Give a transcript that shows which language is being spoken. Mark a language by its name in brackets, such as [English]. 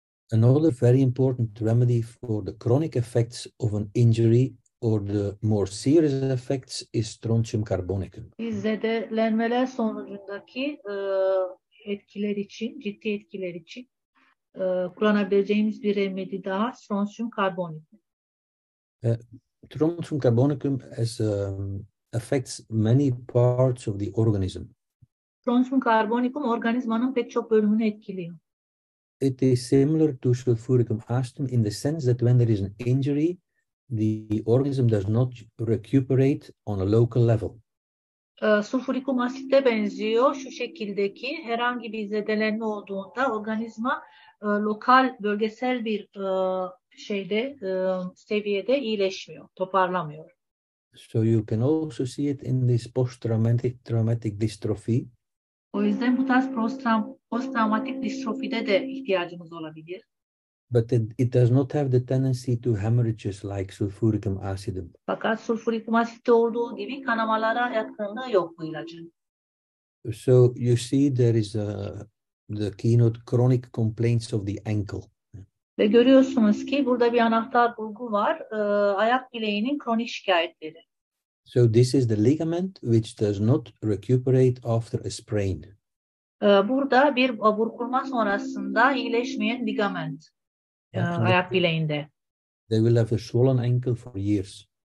[English] Another very important remedy for the chronic effects of an injury or the more serious effects is strontium carbonicum. [Turkish] Zedelenmeler sonucundaki etkiler için, ciddi etkiler için kullanabileceğimiz bir remedi daha strontium carbonicum. [English] Strontium carbonicum has affects many parts of the organism. [Turkish] Strontium carbonicum organizmanın pek çok bölümünü etkiliyor. [English] It is similar to sulfuric acid in the sense that when there is an injury, the organism does not recuperate on a local level. [Turkish] Sulfuric acid'e benziyor şu şekildeki herhangi bir zedelenme olduğunda organizma lokal bölgesel bir şeyde seviyede iyileşmiyor, toparlamıyor. [English] So you can also see it in this post-traumatic dystrophy. [Turkish] O yüzden bu tarz post-traumatik distrofide de ihtiyacımız olabilir. [English] But it does not have the tendency to hemorrhages like sulfuric acid. [Turkish] Fakat sulfuric acid olduğu gibi kanamalara yatkınlığı yok bu ilacın. [English] So you see there is the keynote chronic complaints of the ankle. [Turkish] Ve görüyorsunuz ki burada bir anahtar bulgu var. Ayak bileğinin kronik şikayetleri. [English] So this is the ligament which does not recuperate after a sprain. [Turkish] Burada bir burkulma sonrasında iyileşmeyen ligament ayak bileğinde. [English] They will have a swollen ankle for years.